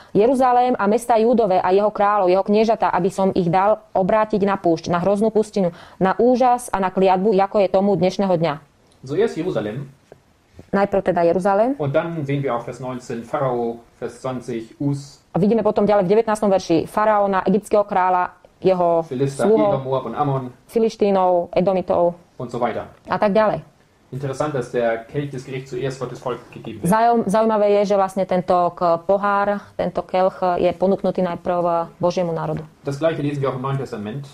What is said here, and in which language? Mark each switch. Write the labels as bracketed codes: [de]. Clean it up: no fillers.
[sk] Jeruzalém a mesta Júdove a jeho kráľov, jeho kniežata, aby som ich dal obrátiť na púšť, na hroznú pustinu, na úžas a na kliatbu, ako je tomu dnešného dňa. [de] So jest Jeruzalém. [sk] Najprv teda Jeruzalém. [de] Und dann sehen wir auch vers 19, Pharao, vers 20, Uz. [sk] A vidíme potom ďalej v 19. verši faraóna, egyptského kráľa, jeho sluhov, Filištínov, Edomitov [de] und so weiter. [sk] A tak ďalej. [de] Interessant, dass der Kelch des Gerichts zuerst vor das Volk gegeben wird. [sk] Zaujímavé je, že vlastne tento pohár, tento kelch je ponúknutý najprv Božiemu národu. [de] Das gleiche lesen wir auch im Neuen Testament.